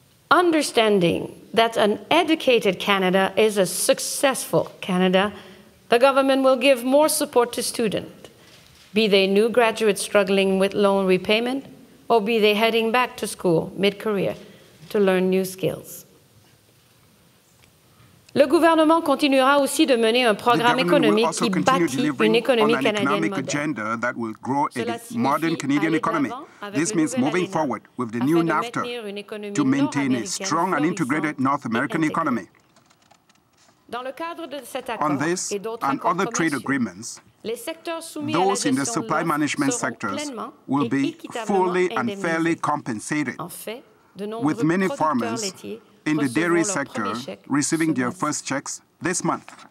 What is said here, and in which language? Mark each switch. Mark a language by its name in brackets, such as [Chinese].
[English] Understanding that an educated Canada is a successful Canada, the government will give more support to students, be they new graduates struggling with loan repayment, or be they heading back to school mid-career to learn new skills. [French] Le gouvernement continuera aussi de mener un programme économique qui bâtit une économie canadienne moderne. [English] Modern Canadian economy. This means moving forward with the new NAFTA to maintain a strong and integrated North American economy. [French] Dans le cadre de cet accord [English] on this and other trade agreements, those in the supply management sectors will be fully and fairly compensated, with many farmers in the dairy sector receiving their first checks this month.